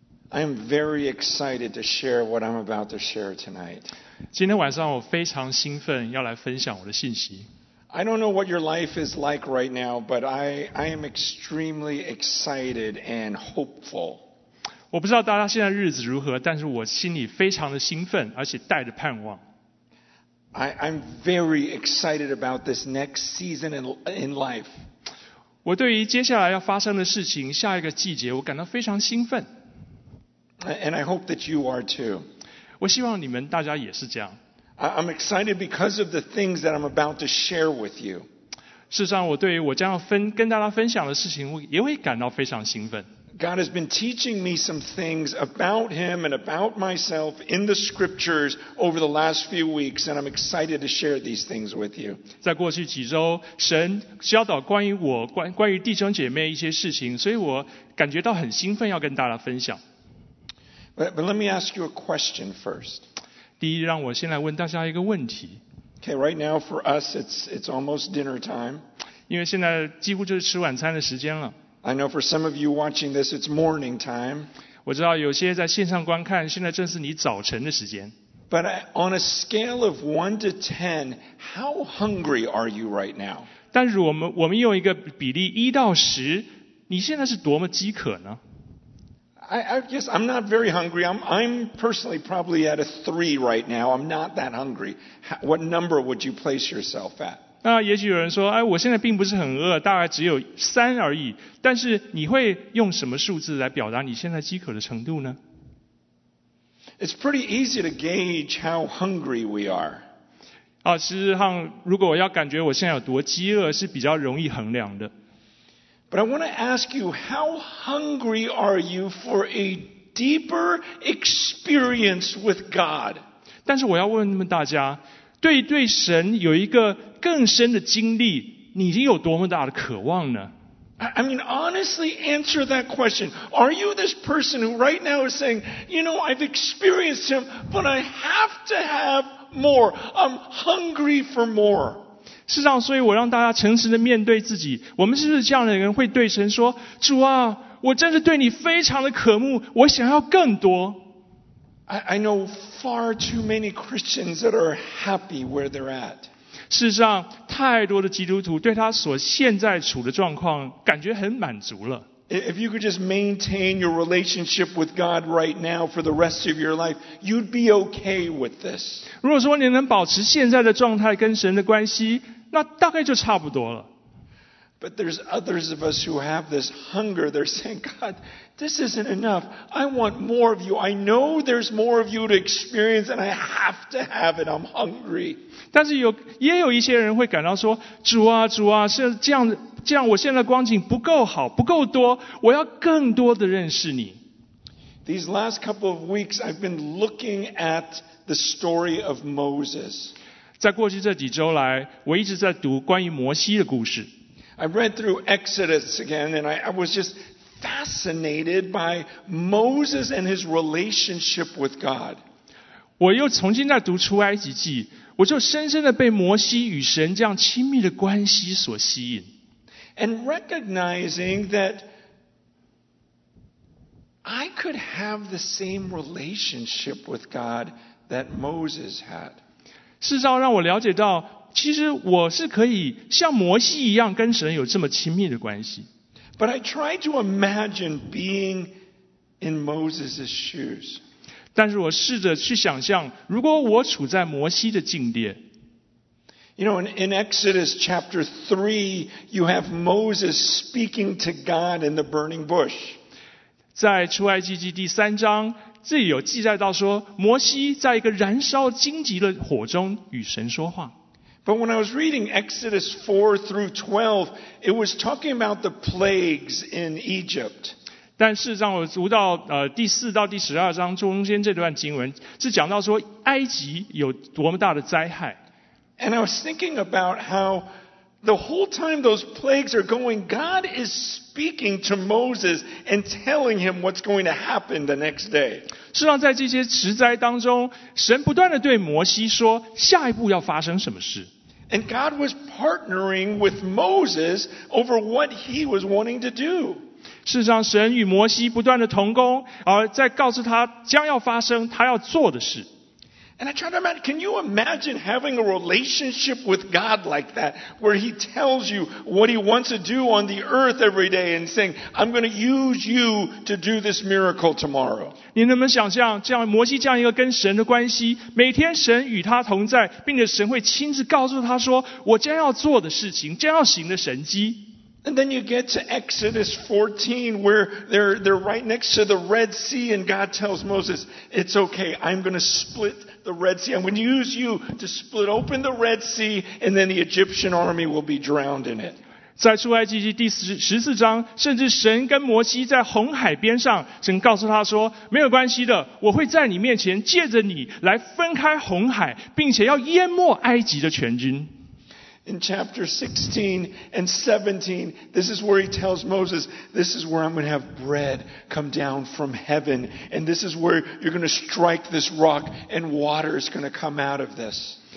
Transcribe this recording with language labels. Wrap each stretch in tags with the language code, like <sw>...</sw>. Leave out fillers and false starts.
<en>I'm very excited to share what I'm about to share tonight.</en> <zh>今天晚上我非常兴奋要来分享我的信息。</zh> <en>I don't know what your life is like right now, but I am extremely excited and hopeful.</en> <zh>我不知道大家现在日子如何，但是我心里非常的兴奋，而且带着盼望。</zh> <en>I'm very excited about this next season in life.</en> <zh>我对于接下来要发生的事情，下一个季节，我感到非常兴奋。</zh> <en>And I hope that you are too.</en> <zh>我希望你们大家也是这样。</zh> <en>I'm excited because of the things that I'm about to share with you.</en> <zh>事实上，我对于我将要跟大家分享的事情，我也会感到非常兴奋。</zh> <en>God has been teaching me some things about Him and about myself in the Scriptures over the last few weeks, and I'm excited to share these things with you.</en> <zh>在过去几周，神教导关于我关于弟兄姐妹一些事情，所以我感觉到很兴奋要跟大家分享。</zh> <en>But let me ask you a question first.</en> <zh>第一，让我先来问大家一个问题。</zh> <en>Okay, right now for us, it's almost dinner time.</en> <zh>因为现在几乎就是吃晚餐的时间了。</zh> <en>I know for some of you watching this, it's morning time.</en> <zh>我知道有些在线上观看，现在正是你早晨的时间。</zh> <en>But on a scale of 1 to 10, how hungry are you right now?</en> <zh>但是我们用一个比例1到10，你现在是多么饥渴呢？</zh> <en>I guess I'm not very hungry. I'm personally probably at a 3 right now. I'm not that hungry. What number would you place yourself at?</en> <zh>那也许有人说，哎，我现在并不是很饿，大概只有3而已。但是你会用什么数字来表达你现在饥渴的程度呢？</zh> <en>It's pretty easy to gauge how hungry we are.</en> <zh>啊，事实上，如果我要感觉我现在有多饥饿，是比较容易衡量的。</zh> <en>But I want to ask you, how hungry are you for a deeper experience with God?</en> <zh>但是我要问大家，对神有一个更深的经历，你有多么大的渴望呢？</zh> <en>I mean, honestly answer that question. Are you this person who right now is saying, you know, I've experienced Him, but I have to have more. I'm hungry for more.</en> <zh>事实上，所以我让大家诚实地面对自己，我们是不是这样的人会对神说，主啊，我真是对你非常的渴慕，我想要更多。</zh> <en>I know far too many Christians that are happy where they're at.</en> <zh>事实上，太多的基督徒对他所现在处的状况感觉很满足了。</zh> <en>If you could just maintain your relationship with God right now for the rest of your life, you'd be okay with this.</en> <zh>如果说你能保持现在的状态跟神的关系，那大概就差不多了。</zh> <en>But there's others of us who have this hunger. They're saying, God, this isn't enough. I want more of you. I know there's more of you to experience, and I have to have it. I'm hungry.</en> <zh>但是也有一些人会感到说，主啊，主啊，是这样，我现在光景不够好，不够多，我要更多的认识你。</zh> <en>These last couple of weeks, I've been looking at the story of Moses.</en> <zh>在过去这几周来，我一直在读关于摩西的故事。</zh> <en>I read through Exodus again, and I was just fascinated by Moses and his relationship with God.</en> <zh>我又重新在读出埃及记，我就深深的被摩西与神这样亲密的关系所吸引。</zh> <en>And recognizing that I could have the same relationship with God that Moses had.</en> <zh>事实上让我了解到，其实我是可以像摩西一样跟神有这么亲密的关系。</zh> <en>But I tried to imagine being in Moses' shoes.</en> <zh>但是我试着去想象，如果我处在摩西的境地。</zh> <en>You know, in Exodus chapter 3, you have Moses speaking to God in the burning bush.</en> <zh>在出埃及记第三章，这里有记载到说，摩西在一个燃烧荆棘的火中与神说话。</zh> <en>But when I was reading Exodus 4 through 12, it was talking about the plagues in Egypt.</en> <zh>但事实上，我读到第四到第十二章中间这段经文，是讲到说埃及有多么大的灾害。</zh> <en>And I was thinking about how the whole time those plagues are going, God is speaking to Moses and telling him what's going to happen the next day.</en> <zh>事实上在这些迟灾当中，神不断地对摩西说下一步要发生什么事。</zh> <en>And God was partnering with Moses over what he was wanting to do.</en> <zh>事实上神与摩西不断的同工，而在告诉他将要发生他要做的事。</zh> <en>And I try to imagine, can you imagine having a relationship with God like that, where he tells you what he wants to do on the earth every day and saying, I'm going to use you to do this miracle tomorrow?</en> <zh>你能不能想象这样摩西这样一个跟神的关系，每天神与他同在，并且神会亲自告诉他说我将要做的事情，将要行的神迹。</zh> <en>And then you get to Exodus 14, where they're right next to the Red Sea, and God tells Moses, it's okay, I'm going to split the Red Sea. I'm going to use you to split open the Red Sea, and then the Egyptian army will be drowned in it.</en> <zh>在出埃及记第十四章，甚至神跟摩西在红海边上，神告诉他说，没有关系的，我会在你面前借着你来分开红海，并且要淹没埃及的全军。</zh> <en>In chapter 16 and 17, this is where he tells Moses, this is where I'm going to have bread come down from heaven, and this is where you're going to strike this rock, and water is going to come out of this.</en>